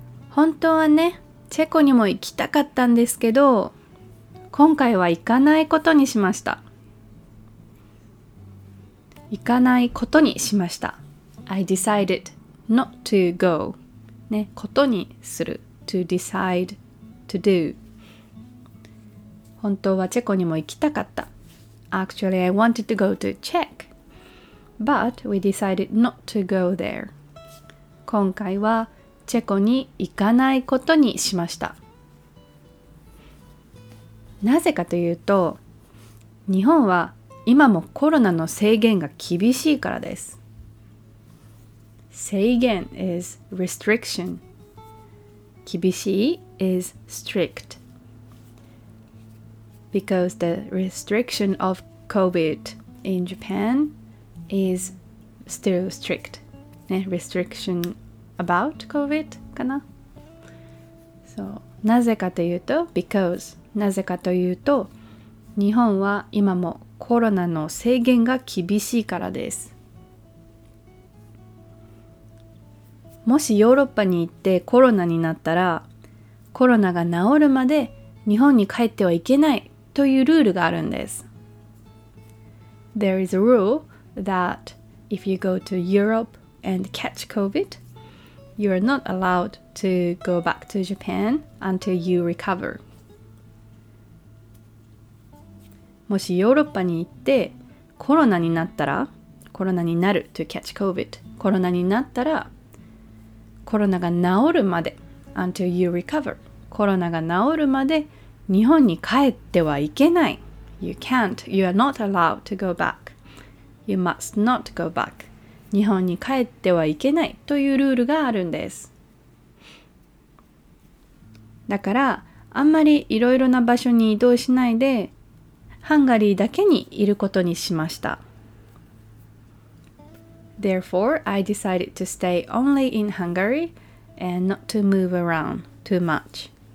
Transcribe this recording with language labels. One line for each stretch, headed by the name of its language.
Japanese: 本当はね、チェコにも行きたかったんですけど、今回は行かないことにしました。行かないことにしました。
English: I decided not to go.
Japanese: ね、ことにする、
English: to decide to do.
Japanese: 本当はチェコにも行きたかった。
English: Actually, I wanted to go to Czech, but we decided not to go there.
Japanese: 今回はチェコに行かないことにしました。なぜかというと、日本は今もコロナの制限が厳しいからです。
English: 制限 is restriction. 厳しい is strict. Because the restriction of COVID in Japan is still strict. ね、restriction about COVID かな。
Japanese: そう、なぜかというと、because、なぜかというと、日本は今もコロナの制限が厳しいからです。もしヨーロッパに行ってコロナになったら、コロナが治るまで日本に帰ってはいけないというルールがあるんです。
English: There is a rule that if you go to Europe and catch COVID, you are not allowed to go back to Japan until you recover.
Japanese: もしヨーロッパに行ってコロナになったら、コロナになる
English: to catch COVID,
Japanese: コロナになったら、コロナが治るまで
English: until you recover.
Japanese: コロナが治るまで日本に帰ってはいけない。
English: You can't. You are not allowed to go back. You must not go back.
Japanese: 日本に帰ってはいけないというルールがあるんです。だから、あんまりいろいろな場所に移動しないで、ハンガリーだけにいることにしました。
English: Therefore, I decided to stay only in Hungary and not to move around too much.